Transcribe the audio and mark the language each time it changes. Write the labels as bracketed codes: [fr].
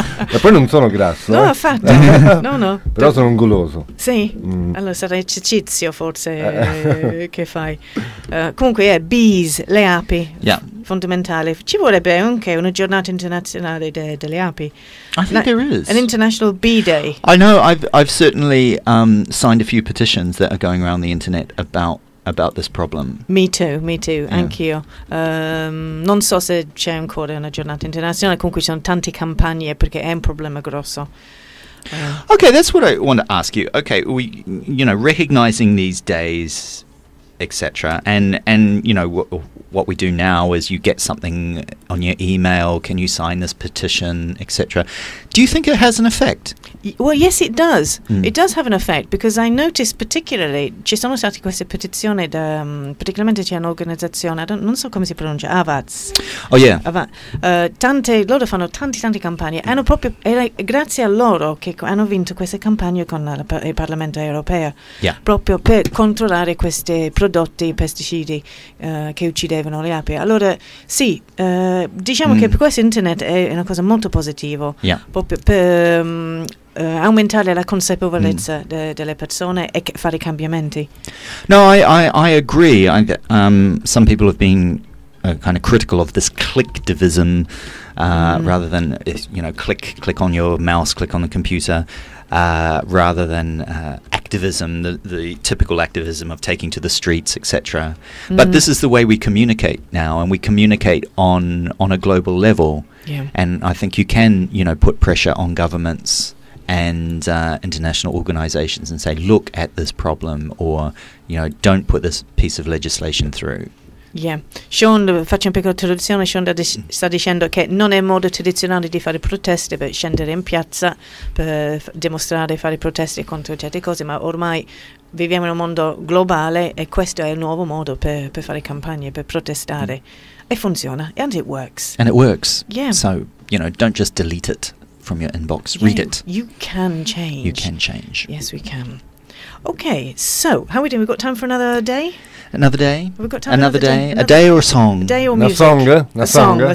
[it] E poi non sono grasso. No, affatto. No. Però sono un goloso. Sì, allora sarà esercizio forse che fai. Comunque bees, le api. Fondamentale. Ci vorrebbe anche una giornata internazionale delle api. [en] I think there is. An International Bee Day. I know, I've certainly signed a few petitions that are going around the internet about this problem. Me too, yeah. Anch'io. [it] Non so se c'è ancora una giornata internazionale, comunque ci sono tante campagne perché è un problema grosso. [en] Okay, that's what I want to ask you. Okay, we, you know, recognizing these days, etc. And you know, what we do now is you get something on your email, can you sign this petition, etc. Do you think it has an effect? Well, yes, it does. Mm. It does have an effect, because I noticed particularly, [it] ci sono state queste petizioni, particolarmente c'è un'organizzazione, non so come si pronuncia, AVATS. [en] Oh, yeah. [it] Tante, loro fanno tante campagne, hanno proprio, grazie a loro che hanno vinto queste campagne con il Parlamento Europeo, proprio per controllare questi prodotti, pesticidi che uccide vivevano le api. Allora sì, diciamo che questo internet è una cosa molto positiva, proprio per aumentare la consapevolezza delle persone e fare i cambiamenti. [en] No, I agree. Some people have been kind of critical of this clicktivism, rather than, you know, click on your mouse, click on the computer, rather than activism, the typical activism of taking to the streets, etc. But this is the way we communicate now, and we communicate on a global level. Yeah. And I think you can, you know, put pressure on governments and international organizations and say, look at this problem, or, you know, don't put this piece of legislation through. Yeah. [it] Sean, faccio una piccola traduzione, Sean sta dicendo che non è modo tradizionale di fare proteste, per scendere in piazza, per dimostrare e fare proteste contro certe cose, ma ormai viviamo in un mondo globale e questo è il nuovo modo per fare campagne, per protestare. E funziona. [en] And it works. And it works. Yeah. So, you know, don't just delete it from your inbox. Yeah, read it. You can change. You can change. Yes, we can. Okay, so how are we doing? We've got time for another day? Another day? We've got time another for another day? Day? A day or a song? A day or a music? Song, a song,